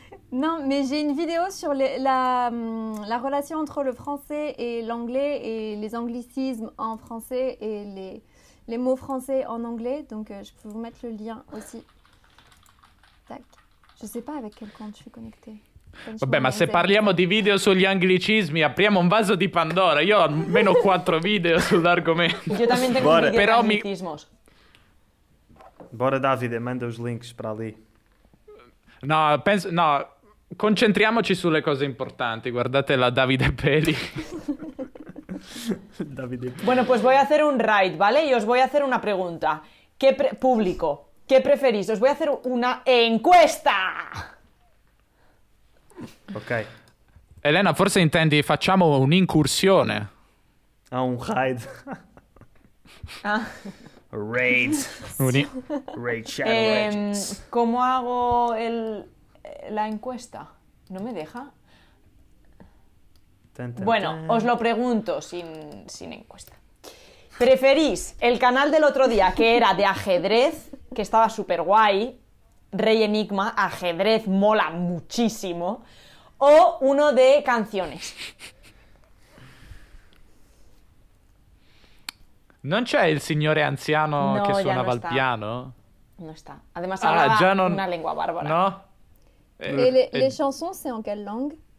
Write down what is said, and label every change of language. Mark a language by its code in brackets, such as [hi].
[fr] Non, mais j'ai une vidéo sur la relation entre le français et l'anglais et les anglicismes en français et les mots français en anglais. Donc, je peux vous mettre le lien aussi. Tac. Je sais pas avec quel compte je suis connectée. [it] Vabbè, ma se parliamo di video sugli anglicismi, apriamo un vaso di Pandora. Io ho almeno 4 video sull'argomento. [es] Io también tengo un video di anglicismos. [pt] Bora, Davide, manda os links para lì. [it] No, penso, no, concentriamoci sulle cose importanti. Guardate la Davide Peli. Davide. [es] Bueno, pues voy a hacer un ride, ¿vale? Y os voy a hacer una pregunta. ¿Qué público? ¿Qué preferís? Os voy a hacer una encuesta. Ok. [it] Elena, forse intendi facciamo un'incursione. [es] Ah, un raid. Ah. Raid. Raid Shadow Legends. ¿Cómo hago la encuesta? ¿No me deja? Bueno, os lo pregunto sin encuesta. ¿Preferís el canal del otro día que era de ajedrez, que estaba súper guay, Rey Enigma, ajedrez mola muchísimo, o uno de canciones? [it] Non c'è il signore anziano no, che suonava al piano? No, sta. Además, ah, già non sta. Una lingua barbara. No? E le chansons, c'è in quelle langue?